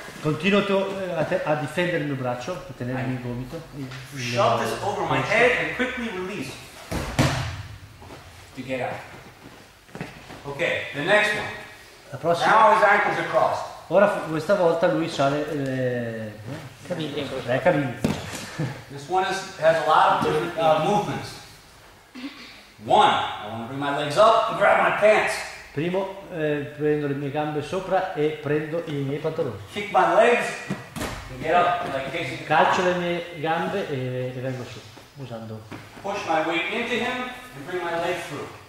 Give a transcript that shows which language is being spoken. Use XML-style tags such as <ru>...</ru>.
<it>Continuo a difendere il mio braccio, a tenermi il gomito.</it> <en>Shove this over my head and quickly release to get out. Okay, the next one.</en> <it>La prossima.</it> <en>Now his ankles are crossed.</en> <it>Ora questa volta lui sale le caviglie.</it> <en>This one has a lot of different movements. One, I want to bring my legs up and grab my pants.</en> <it>Primo, prendo le mie gambe sopra e prendo i miei pantaloni.</it> <en>Kick my legs and get up like Casey.</en> <it>Calcio le mie gambe e vengo su, usando.</it> <en>Push my weight into him and bring my legs through.</en>